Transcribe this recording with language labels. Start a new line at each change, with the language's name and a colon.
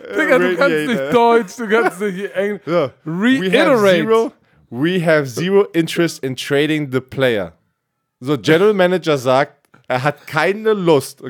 German: Digga, du kannst nicht Deutsch, du kannst nicht Englisch.
English: Reiterate. We have zero interest in trading the player.
German: So, General Manager sagt, er hat keine Lust.